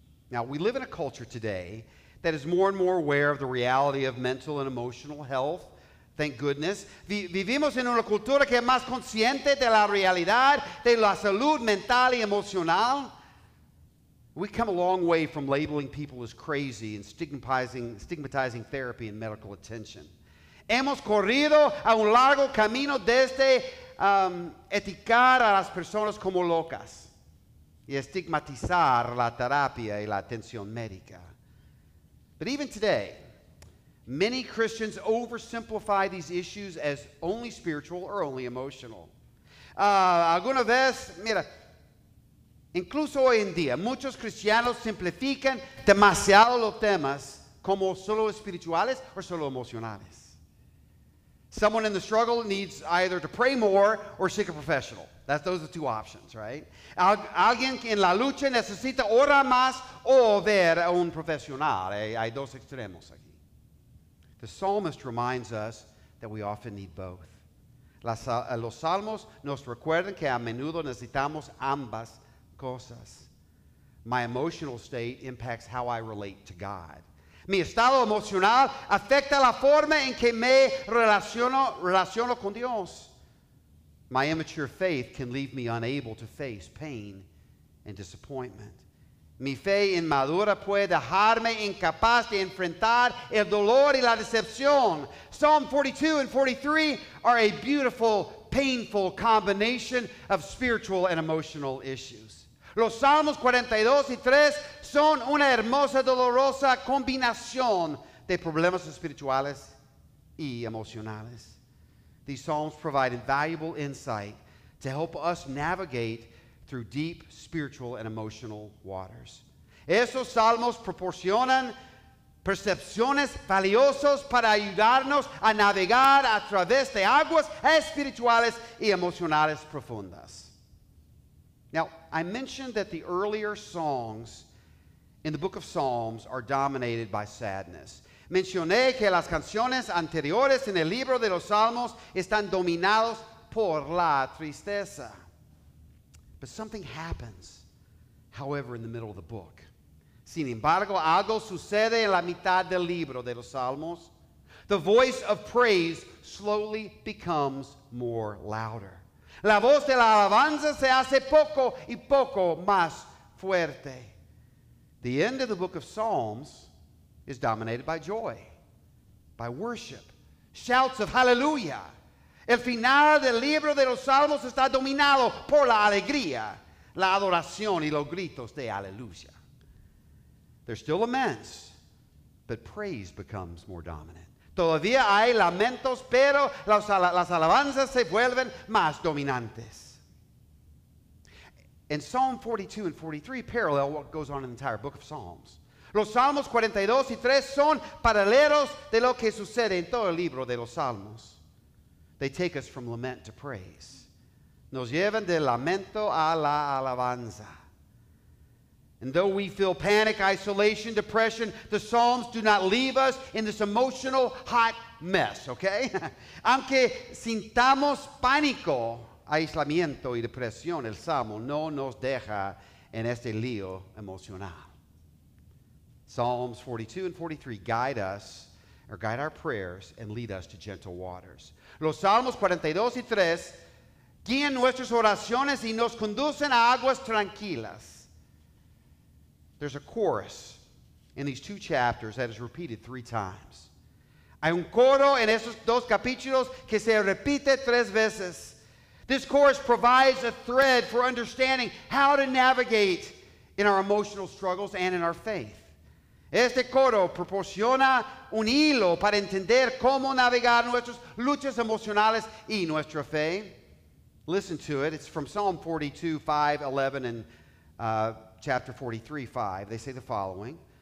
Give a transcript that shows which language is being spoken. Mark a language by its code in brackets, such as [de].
[en] Now, we live in a culture today that is more and more aware of the reality of mental and emotional health. Thank goodness. [es] Vivimos en una cultura que es más consciente de la realidad de la salud mental y emocional. [en] We come a long way from labeling people as crazy and stigmatizing therapy and medical attention. [es] Hemos corrido a un largo camino desde etiquetar a las personas como locas y estigmatizar la terapia y la atención médica. [en] But even today, many Christians oversimplify these issues as only spiritual or only emotional. [es] Alguna vez, mira, incluso hoy en día, muchos cristianos simplifican demasiado los temas como solo espirituales o solo emocionales. [en] Someone in the struggle needs either to pray more or seek a professional. Those are the two options, right? [es] Alguien en la lucha necesita orar más o ver a un profesional. Hay dos extremos aquí. [en] The psalmist reminds us that we often need both. [es] Los salmos nos recuerdan que a menudo necesitamos ambas cosas. [en] My emotional state impacts how I relate to God. [es] Mi estado emocional afecta la forma en que me relaciono con Dios. [en] My immature faith can leave me unable to face pain and disappointment. [es] Mi fe inmadura puede dejarme incapaz de enfrentar el dolor y la decepción. [en] Psalm 42 and 43 are a beautiful, painful combination of spiritual and emotional issues. [es] Los Salmos 42 y 3 son una hermosa, dolorosa combinación de problemas espirituales y emocionales. [en] These psalms provide invaluable insight to help us navigate through deep spiritual and emotional waters. [es] Esos salmos proporcionan percepciones valiosas para ayudarnos a navegar a través de aguas espirituales y emocionales profundas. [en] Now, I mentioned that the earlier songs in the book of Psalms are dominated by sadness. [es] Mencioné que las canciones anteriores en el libro de los Salmos están dominados por la tristeza. [en] But something happens, however, in the middle of the book. [es] Sin embargo, algo sucede en la mitad del libro de los Salmos. [en] The voice of praise slowly becomes more louder. [es] La voz de la alabanza se hace poco y poco más fuerte. [en] The end of the book of Psalms is dominated by joy, by worship, shouts of hallelujah. [es] El final del libro de los Salmos está dominado por la alegría, la adoración y los gritos de aleluya. [en] There's still laments, but praise becomes more dominant. [es] Todavía hay lamentos, pero las alabanzas se vuelven más dominantes. [en] And Psalm 42 and 43 parallel what goes on in the entire book of Psalms. [es] Los Salmos 42 y 3 son paralelos de lo que sucede en todo el libro de los Salmos. [en] They take us from lament to praise. [es] Nos llevan del lamento a la alabanza. [en] And though we feel panic, isolation, depression, the Psalms do not leave us in this emotional hot mess, okay? [es] Aunque sintamos pánico, aislamiento y depresión, el Salmo no nos deja en este lío emocional. [en] Psalms 42 and 43 guide us, or guide our prayers, and lead us to gentle waters. [es] Los Salmos 42 y 3 guían nuestras oraciones y nos conducen a aguas tranquilas. [en] There's a chorus in these two chapters that is repeated three times. [es] Hay un coro en esos dos capítulos que se repite tres veces. [en] This chorus provides a thread for understanding how to navigate in our emotional struggles and in our faith. [es] Este coro proporciona un hilo para entender cómo navegar nuestras luchas emocionales y nuestra fe. [en] Listen to it. It's from Psalm 42, 5, 11, and Chapter 43, 5, they say the following.